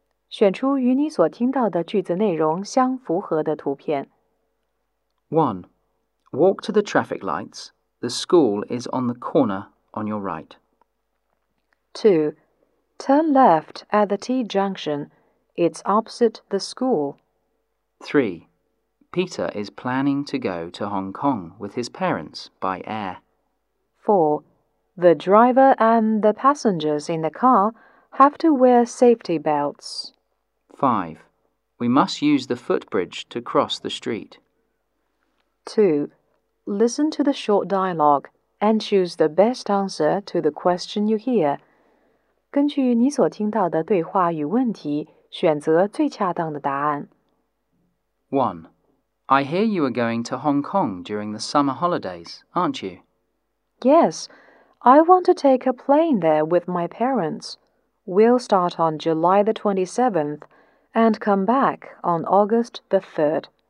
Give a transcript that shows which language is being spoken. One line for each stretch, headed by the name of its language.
Chinese: 选出与你所听到的句子内容相符合的图片。
English: 1. Walk to the traffic lights. The school is on the corner on your right. 2. Turn left at the T junction. It's opposite the school. 3. Peter is planning to go to Hong Kong with his parents by air. 4. The driver and the passengers in the car have to wear safety belts. 5. We must use the footbridge to cross the street. 2. Listen to the short dialogue and choose the best answer to the question you hear.
Chinese: 根据你所听到的对话与问题，选择最恰当的答案。
English: 1. I hear you are going to Hong Kong during the summer holidays, aren't you? Yes. I want to take a plane there with my parents. We'll start on July the 27th and come back on August the 3rd.